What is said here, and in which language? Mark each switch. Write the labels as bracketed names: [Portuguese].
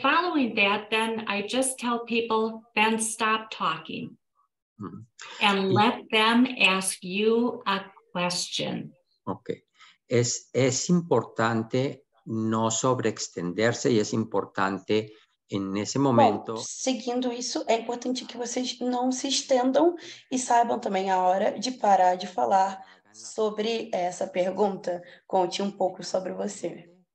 [English] Following that, then I just tell people, then stop talking and let them ask you a question. Okay. [Spanish] Es importante no sobreextenderse y es importante en ese momento. [Portuguese] Bom, seguindo isso, é importante que vocês não se estendam e saibam também a hora de parar de falar. Sobre essa pergunta, conte pouco sobre você.